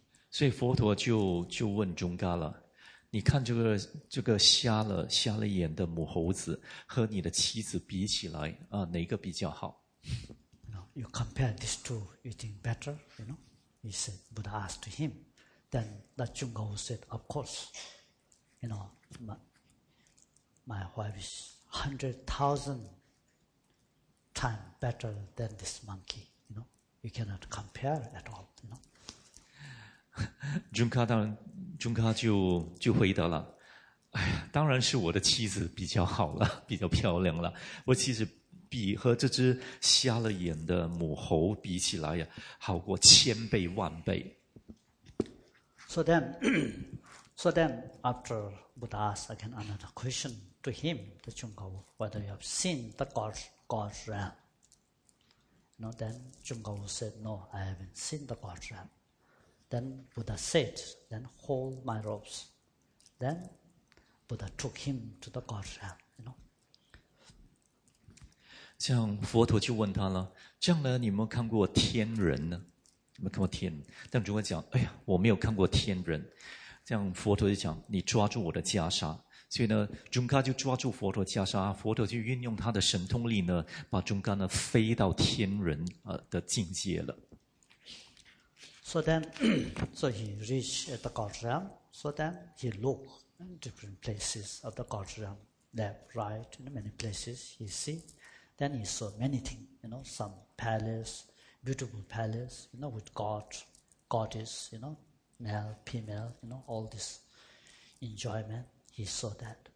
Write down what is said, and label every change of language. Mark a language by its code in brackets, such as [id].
[zh] 所以佛陀就问中嘎了，你看这个瞎了眼的母猴子和你的妻子比起来，哪个比较好？ [en] You compare these two, you think better, you know? He said, Buddha asked him. Then the Junggao said, of course, you know, my wife is 100,000 times better than this monkey, you know? You cannot compare at all, you know? [zh] Junggao 就回答了，哎呀，当然是我的妻子比较好了，比较漂亮了，我妻子比和这只瞎了眼的母猴比起来呀，好过千倍万倍。 [en] So then, after Buddha asked again another question to him, the Junggao, whether you have seen the God's realm. No, then Junggao said, No, I haven't seen the God's realm. Then Buddha said, Then hold my robes. Then Buddha took him to the God's realm. [zh] 这样佛陀就问他了，这样呢，你有没有看过天人呢？有没有看过天？但如果讲，哎呀，我没有看过天人，这样佛陀就讲，你抓住我的袈裟。所以呢，中嘎就抓住佛陀袈裟，佛陀就运用他的神通力呢，把中嘎呢飞到天人的境界了。 [en] So then, so he reached the God realm. So then he looked in different places of the God realm, left, right, in many places he see. Then he saw many things, you know, some palace, beautiful palace, you know, with God, goddess, you know, male, female, you know, all this enjoyment. He saw that.